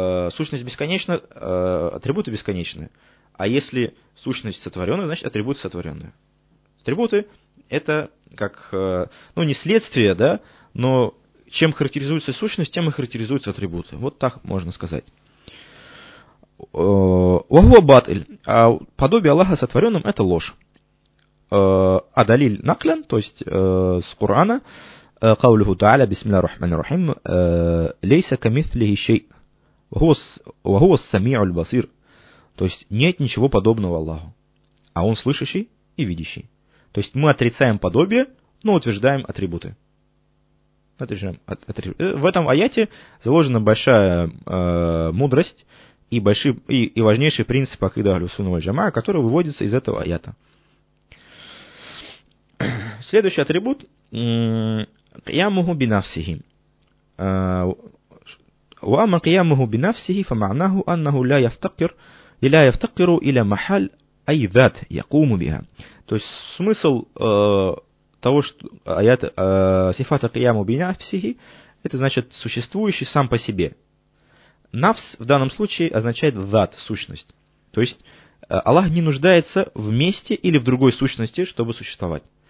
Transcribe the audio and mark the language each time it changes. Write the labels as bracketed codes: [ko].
[ru] Сущность бесконечна, атрибуты бесконечны. А если сущность сотворенная, значит атрибуты сотворенные. Атрибуты это как, ну, не следствие, да, но чем характеризуется сущность, тем и характеризуются атрибуты. Вот так можно сказать. [ar] Ва хуа батиль. [ru] А подобие Аллаха сотворенным – это ложь. [ar] А далиль наклян, [ru] то есть с Корана, [ar] قوله تعالى بسم الله الرحمن الرحيم ليس كمثله شيء وهو السميع البصير. [ru] То есть нет ничего подобного Аллаху, а он слышащий и видящий. То есть мы отрицаем подобие, но утверждаем атрибуты. В этом аяте заложена большая мудрость и большие и важнейшие принципы акида аль-сунна валь-джамаа, которые выводятся из этого аята. Следующий атрибут [ar] قيامه بنفسه. وأما قيامه بنفسه فمعناه أنه لا يفتقر لا يفتقر إلى محل أي ذات يقوم بها. [ru] То есть смысл того, что аят сифата [ar] قيامه بنفسه, [ru] это значит существующий сам по себе. Нафс в данном случае означает ذات, сущность. То есть Аллах не нуждается в месте или в другой сущности, чтобы существовать.